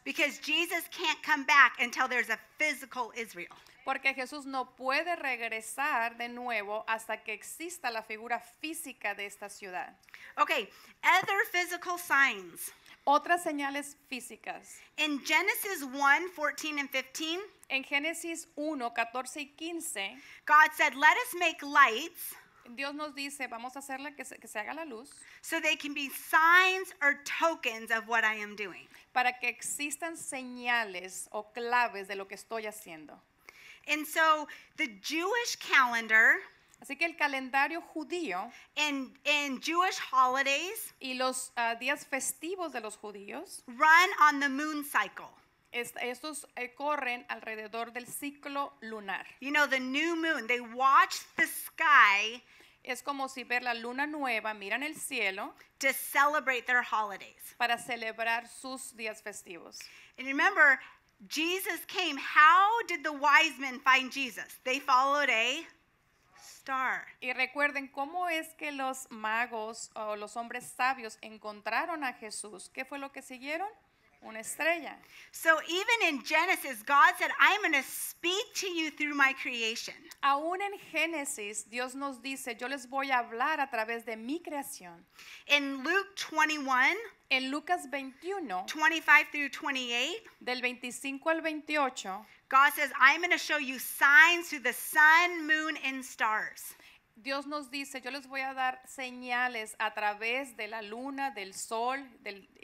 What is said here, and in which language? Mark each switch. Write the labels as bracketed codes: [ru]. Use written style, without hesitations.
[en] Because Jesus can't come back until there's a physical Israel. [es] Porque Jesús no puede regresar de nuevo hasta que exista la figura física de esta ciudad. [en] Okay, other physical signs. [es] Otras señales físicas. [en] In Genesis 1, 14 and 15. [es] En Génesis 1, 14 y 15. [en] God said, let us make lights. [es] Dios nos dice, vamos a hacerle que se haga la luz. [en] So they can be signs or tokens of what I am doing. [es] Para que existan señales o claves de lo que estoy haciendo. [en] And so the Jewish calendar. [es] Así que el calendario judío. [en] In Jewish holidays. [es] Y los días festivos de los judíos. [en] Run on the moon cycle. [es] Estos corren alrededor del ciclo lunar. [en] You know, the new moon, they watch the sky. [es] Es como si ver la luna nueva, miran el cielo. [en] To celebrate their holidays. [es] Para celebrar sus días festivos. [en] And remember, Jesus came. How did the wise men find Jesus? They followed a star. [es] Y recuerden, ¿cómo es que los magos o los hombres sabios encontraron a Jesús? ¿Qué fue lo que siguieron? Una estrella. [en] So even in Genesis, God said, I'm going to speak to you through my creation. [es] Aún en Génesis, Dios nos dice, yo les voy a hablar a través de mi creación. [en] In Luke 21, [es] en Lucas 21, [en] 25 through 28, [es] del 25 al 28, [en] God says, I'm going to show you signs through the sun, moon, and stars. [es] Dios nos dice, yo les voy a dar señales a través de la luna, del sol, del